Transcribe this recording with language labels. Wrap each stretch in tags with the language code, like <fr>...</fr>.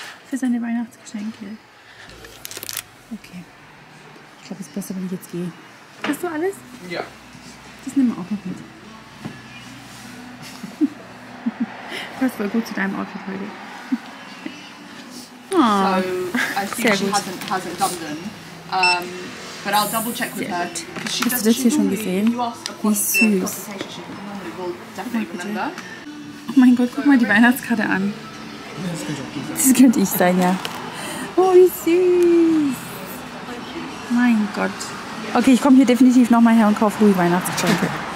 <de>Für seine Weihnachtsgeschenke. Okay. Ich glaube, es ist besser, wenn ich jetzt gehe. Hast du alles? Ja. Das nehmen wir auch noch mit. Passt voll gut zu deinem Outfit heute. Oh,</de> <en>so, I think she hasn't done them. But I'll double check with her.</en> <de>Hast du das hier schon gesehen? Wie süß. Oh mein Gott, guck mal die Weihnachtskarte an. Das könnte ich sein, ja. Oh, wie süß. Mein Gott. Okay, ich komme hier definitiv nochmal her und kaufe ruhig Weihnachtsgeschenke.</de>